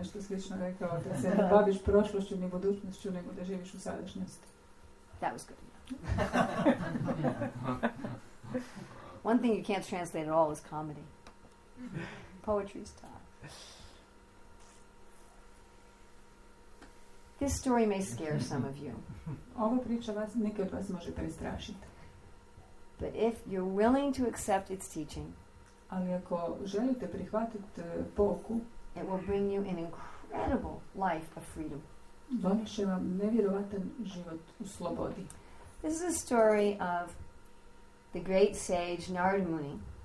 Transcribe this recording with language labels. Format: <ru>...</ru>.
<en>You'll never be able to do that. That was good enough. One thing you can't translate at all is comedy. Poetry is tough. This story may scare some of you.</en> <hr>Ova priča vas, neke od vas može prestrašiti.</hr> <en>But if you're willing to accept its teaching,</en> <hr>ali ako želite prihvatiti pouku,</hr> <en>it will bring you an incredible life of freedom.</en> <hr>Donijeće vam nevjerovatan život u slobodi.</hr> <en>This is a story of the great sage Narada Muni.</en>